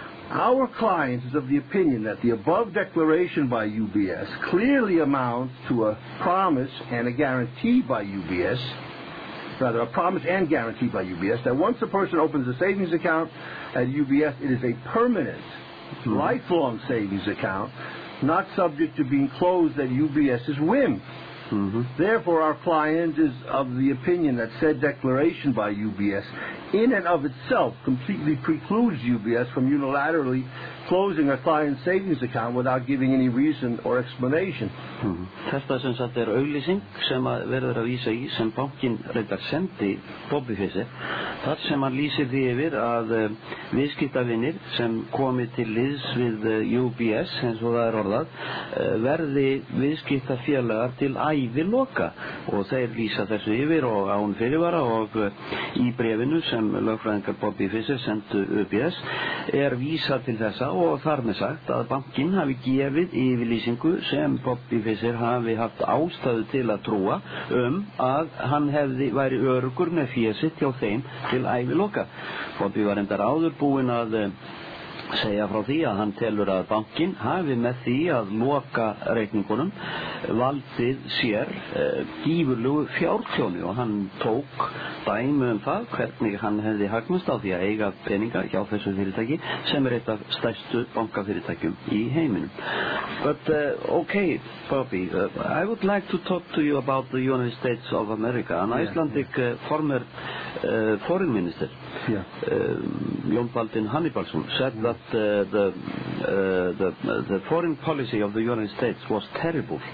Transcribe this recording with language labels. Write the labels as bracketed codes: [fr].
[en] Our client is of the opinion that the above declaration by UBS clearly amounts to a promise and a guarantee by UBS, rather a promise and guarantee by UBS, that once a person opens a savings account at UBS, it is a permanent, lifelong savings account, not subject to being closed at UBS's whim. Mm-hmm. Therefore, our client is of the opinion that said declaration by UBS in and of itself completely precludes UBS from unilaterally closing a client's savings account without giving any reason or explanation. [is] Þetta sem sagt auglýsing sem verður að vísa í sem bankinn reyndar sendi Bobby Fischer, þar sem hann lýsir því yfir að viðskiptavinir sem komi til liðs við UBS, eins og það orðað, verði viðskiptafélagar til æviloka og þeir lýsa þessu yfir og án fyrirvara og í bréfinu sem lögfræðingar Bobby Fischer sendu UBS vísa til þessa og þar með sagt að bankinn hafi gefið yfirlýsingu sem Bobby Fischer hafi haft ástæðu til að trúa að hann hefði væri öruggur með fé sitt hjá þeim til æviloka. Bobby var endar áður búinn að segja frá því að hann telur að bankinn hafi með því að loka reikningunum valdið sér gífurlegu fjártjóni og hann tók dæmi það hvernig hann hefði hagnast á því að eiga peninga hjá þessu fyrirtæki sem eitt af stærstu bankafyrirtækjum í heiminum. [en] But okay, Bobby, I would like to talk to you about the United States of America, an Icelandic former foreign minister. Yeah. Jón Baldvin Hannibalsson said that the foreign policy of the United States was terrible.